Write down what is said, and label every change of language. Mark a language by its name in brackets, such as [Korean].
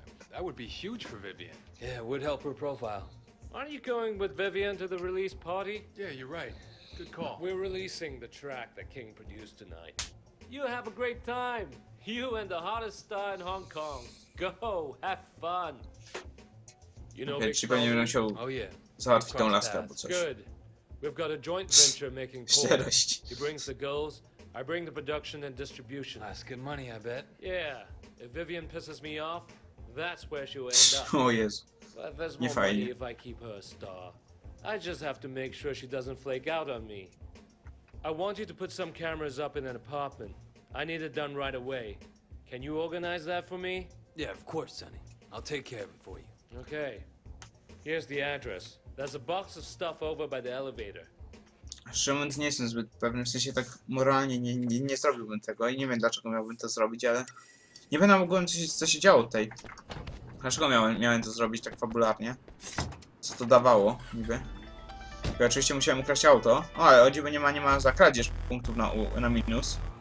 [English] That would be huge for Vivian. Yeah, it would help her profile. Aren't you going with Vivian to the release party? Yeah, you're right. Good call. We're releasing the track that King produced tonight. You have a great time. You and the hottest star in Hong Kong. Go, have fun. You know, [Polish] okay, czy pewnie będę musiał załatwić tę laskę albo coś. [English] We've got a joint venture making porn. He brings the girls, I bring the production and distribution. That's good money, I bet. Yeah. If Vivian pisses me off, that's where she'll end up. Oh, yes. But there's more money if I keep her a star. I just have to make sure she doesn't flake out on me. I want you to put some cameras up in an apartment. I need it done right away. Can you organize that for me? Yeah, of course, Sonny. I'll take care of it for you. Okay. Here's the address. There's a box of stuff over by the elevator. [Polish] Szymon, nie jestem zbyt pewny, w sensie tak moralnie nie zrobiłbym tego i nie wiem dlaczego miałbym to zrobić, ale nie będę mógł, co się działo tutaj. Dlaczego miałem to zrobić tak fabularnie? Co to dawało niby? Ja oczywiście musiałem ukraść auto. O, ale o dziwo nie ma za kradzież punktów na minus.